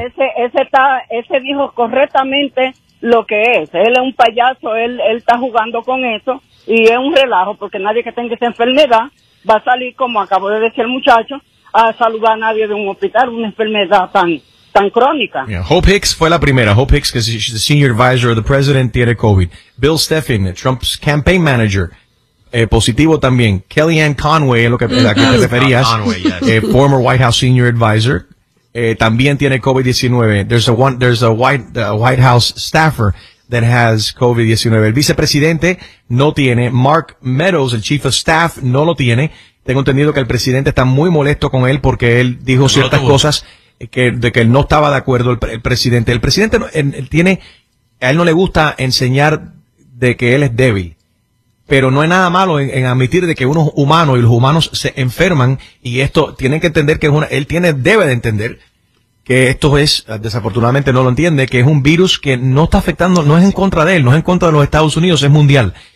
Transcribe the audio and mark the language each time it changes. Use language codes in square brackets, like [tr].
[es] Ese dijo correctamente lo que es. Él es un payaso, él está jugando con eso. Y es un relajo, porque nadie que tenga esa enfermedad va a salir, como acabo de decir el muchacho, a saludar a nadie de un hospital, una enfermedad tan tan crónica. Yeah. Hope Hicks fue la primera. [en] Hope Hicks, because she's the senior advisor of the president, tiene COVID. Bill Steffen, Trump's campaign manager, positivo también. [es] Kellyanne Conway, lo que, la que te referías, [en] Conway, yes. Former White House senior advisor, también tiene COVID-19. There's a White House staffer that has COVID-19. [es] El vicepresidente no tiene. Mark Meadows, el chief of staff, no lo tiene. Tengo entendido que el presidente está muy molesto con él porque él dijo ciertas cosas de que él no estaba de acuerdo el presidente. El presidente a él no le gusta enseñar de que él es débil, pero no hay nada malo en admitir de que uno es humano y los humanos se enferman, y esto tienen que entender que él debe entender que esto es, desafortunadamente no lo entiende, que es un virus que no está afectando, no es en contra de él, no es en contra de los Estados Unidos, es mundial.